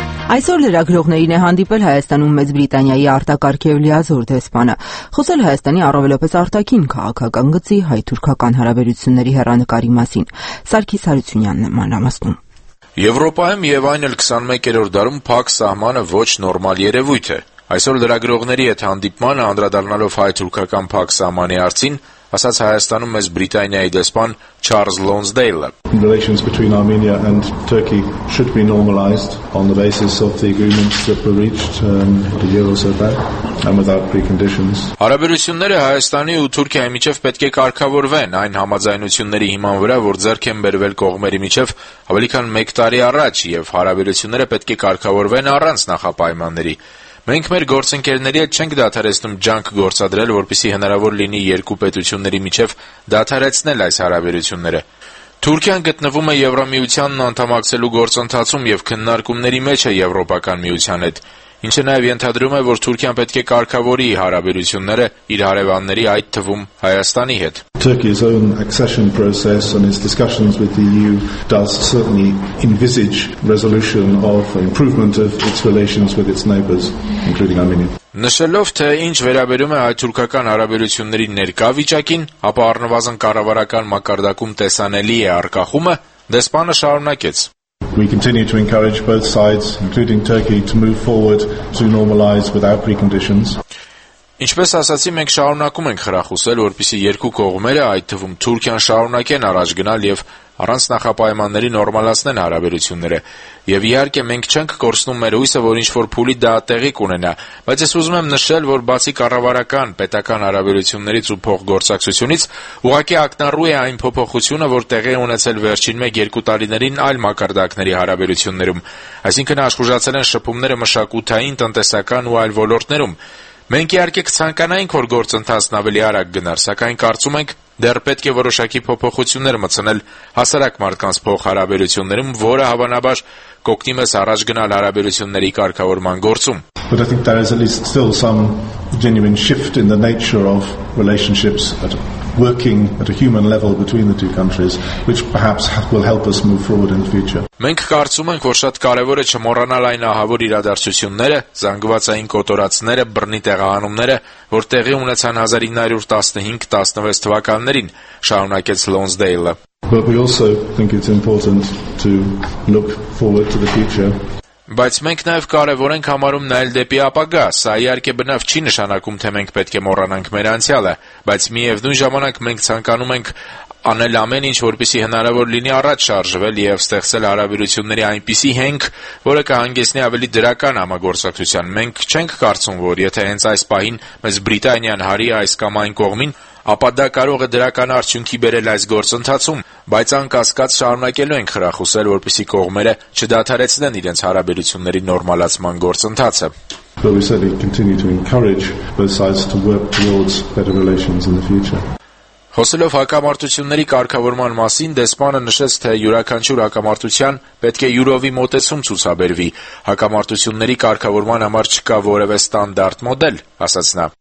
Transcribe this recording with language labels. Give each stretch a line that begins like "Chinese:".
Armenian: Այսօր լրագրողներին է հանդիպել Հայաստանում Մեծ Բրիտանիայի արտակարգ և լիազոր դեսպանը, խոսել Հայաստանի առավելապես արտաքին քաղաքական գծի հայ-թուրքական հարաբերությունների հեռանկարի մասին։ Սարգիս Հարությունյանն է մանրամասնում։ Եվրոպայում և այն էլ 21-րդ դարում փակ սահմանը ոչ նորմալ երևույթ է։ Այսօր լրագրողների հետ հանդիպմանը, անդրադառնալով հայ-թուրքական փակ սահմանի արդին, ասաց Հայաստանում Մեծ Բրիտանիայի դեսպան Չարլզ Լոնսդեյլը.
English: Relations between Armenia and Turkey should be normalized on the basis of the agreements that were reached a year or so back and without preconditions.
Armenian: Հարաբերությունները Հայաստանի ու Թուրքիայի միջև պետք է կարգավորվեն այն համաձայնությունների հիման վրա, որ ձեռք են բերվել կողմերի միջև ավելի քան 1 տարի առաջ, եւ հարաբերությունները պետք է կարգավորվեն առանց նախապայմանների։ Մենք մեր գործընկերների հետ չենք դադարեցնում ջանք գործադրել, որպեսզի հնարավոր լինի երկու պետությունների միջև դադարեցնել այս հարաբերությունները։ Թուրքիան գտնվում է Եվրամիությանն անդամակցելու գործընթացում եւ քննարկումների մեջ է Եվրոպական միության հետ, ինչը նաեւ ենթադրում է, որ Թուրքիան պետք է կարգավորի հարաբերությունները իր հարևանների, այդ թվում Հայաստանի հետ։
English: Turkey's own accession process and its discussions with the EU does certainly envisage resolution of improvement of its relations with its neighbours, including Armenia.
Armenian: Նշելով, թե ինչ վերաբերում է հայ-թուրքական հարաբերությունների ներկա վիճակին, ապա առնվազն կառավարական մակարդակում տեսանելի է արկախումը, դեսպանը շարունակեց.
English: We continue to encourage both sides, including Turkey, to move forward to normalize without preconditions.
Armenian: Ինչպես ասացի, մենք շարունակում ենք խրախուսել, որպեսզի երկու կողմերը, այդ թվում Թուրքիան, շարունակեն առաջ գնալ եւ առանց նախապայմանների նորմալացնեն հարաբերությունները։ Եվ իհարկե մենք չենք կորցնում մեր հույսը, որ ինչ-որ փուլի դա տեղի կունենա, բայց ես ուզում եմ նշել, որ բացի կառավարական, պետական հարաբերություններից ու փոխգործակցությունից, ուղղակի ակնառու է այն փոփոխությունը, որ տեղի ունեցել վերջին 1-2 տարիներին այլ մակարդակների հարաբերություններում, այսինքն աշխուժացել են շփումները մշակութային, տնտեսական ու այլ ոլորտներում։ Մենք իհարկե կցանկանայինք, որ գործընթացն ավելի արագ գնար, սակայն կարծում ենք, դեռ պետք է որոշակի փոփոխություններ մտցնել հասարակ մարդկանց փոխհարաբերություններում, որը հավանաբար կօգնի մեզ առաջ գնալ հարաբերությունների կարգավորման գործում։
English: But I think there is at least still some genuine shift in the nature of relationships at working at a human level between the two countries, which perhaps will help us move forward in the future.
Armenian: Մենք կարծում ենք, որ շատ կարևոր է չմոռանալ այն ահավոր իրադարձությունները, զանգվածային կոտորածները, բռնի տեղահանումները, որ տեղի ունեցան 1915-16 թվականներին, շարունակեց Lonsdale-ը.
English: But we also think it's important to look forward to the future.
Armenian: Բայց մենք նաև կարևոր ենք համարում նայել դեպի ապագա, սա իհարկե բնավ չի նշանակում, թե մենք պետք է մոռանանք մեր անցյալը, բայց միևնույն ժամանակ մենք ցանկանում ենք անել ամեն ինչ, որպեսզի հնարավոր լինի առաջ շարժվել և ստեղծել հարաբերությունների այնպիսի հենք, որը կհանգեցնի ավելի դրական համագործակցության։ Մենք չենք կարծում, որ եթե հենց այս պահին մեզ Բրիտանիան հարի այս կամ այն կողմին, ապա դա կարող է դրական արդյունքի բերել այս գործընթացում, բայց անկասկած շարունակելու ենք խրախուսել, որպեսզի կողմերը չդադարեցնեն իրենց հարաբերությունների նորմալացման գործընթացը։
English: But we certainly continue to encourage both sides to work towards better relations in the future.
Armenian: Հոսելով հակամարտությունների կարգավորման մասին, դեսպանը նշեց, թե յուրաքանչյուր հակամարտության պետք է յուրովի մոտեցում ցուցաբերվի։ Հակամարտությունների կարգավորման համար չկա որևէ ստանդարտ մոդել, ասաց նա։